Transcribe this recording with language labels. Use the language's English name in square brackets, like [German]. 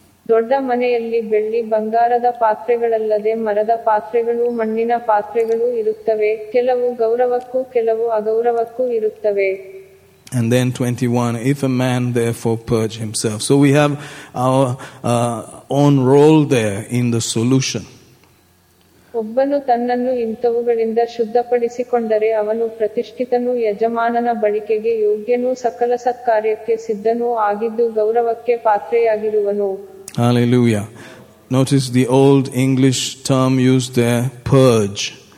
[Kannada] ದೊಡ್ಡ ಮನೆಯಲ್ಲಿ ಬೆಳ್ಳಿ ಬಂಗಾರದ ಪಾತ್ರೆಗಳಲ್ಲದೆ ಮರದ ಪಾತ್ರೆಗಳು ಮಣ್ಣಿನ ಪಾತ್ರೆಗಳು ಇರುತ್ತವೆ ಕೆಲವು ಗೌರವಕ್ಕೂ ಕೆಲವು ಅಗೌರವಕ್ಕೂ ಇರುತ್ತವೆ. [English] And then 21, if a man therefore purge himself. So we have our own role there in the solution. [Kannada] ಒಬ್ಬನು ತನ್ನನ್ನು ಇಂಥವುಗಳಿಂದ ಶುದ್ಧಪಡಿಸಿಕೊಂಡರೆ ಅವನು ಪ್ರತಿಷ್ಠಿತನು ಯಜಮಾನನ ಬಳಿಕೆಗೆ ಯೋಗ್ಯನೂ ಸಕಲ ಸತ್ಕಾರ್ಯಕ್ಕೆ ಸಿದ್ಧನೂ ಆಗಿದ್ದು ಗೌರವಕ್ಕೆ ಪಾತ್ರೆಯಾಗಿರುವನು. [English] Hallelujah. Notice the old English term used there, purge.